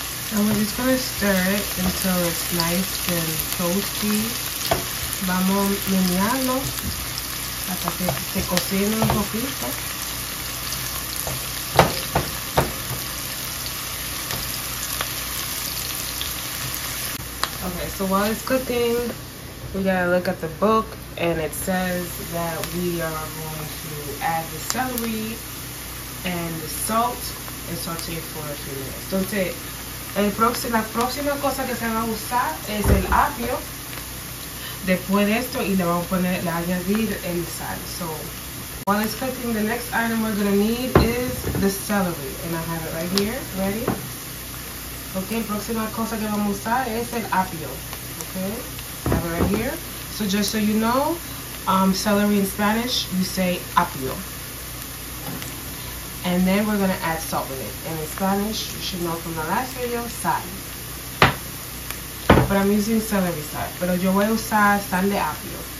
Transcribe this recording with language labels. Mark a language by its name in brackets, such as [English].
[English] And we're just gonna stir it until it's nice and toasty. [Spanish] Vamos a menearlo hasta que se cocine un poquito. [English] Okay, so while it's cooking, we gotta look at the book, and it says that we are going to add the celery and the salt and saute for a few minutes. [Spanish] La próxima cosa que se va a usar es el apio. después de esto y le vamos a poner la añadir el sal. [English] So while it's cooking, the next item we're gonna need is the celery, and I have it right here ready. [Spanish] Okay, próxima cosa que vamos a usar es el apio. Okay, [English] I have it right here. So just so you know, celery in Spanish you say apio. And then we're gonna add salt with it. And in Spanish, you should know from the last video, sal. But I'm using celery sal. [Spanish] Pero yo voy a usar sal de apio.